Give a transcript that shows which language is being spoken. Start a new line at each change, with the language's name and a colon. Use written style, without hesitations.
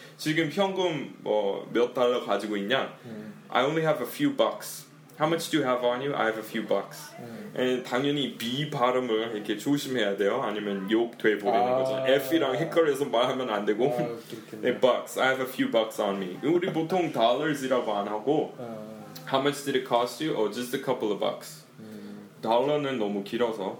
Korean: 지금 현금 뭐 몇 달러 가지고 있냐?
English: I only have a few bucks. How much do you have on you? I have a few bucks.
Korean: 당연히 B 발음을 이렇게 조심해야 돼요. 아니면 욕 돼버리는 거죠. F이랑 헷갈려서 말하면 안 되고.
English: 네, bucks. I have a few bucks on me.
Korean: 우리 보통 dollars이라고 안 하고.
English: How much did it cost you? Oh, just a couple of bucks.
Korean: 달러는 너무 길어서.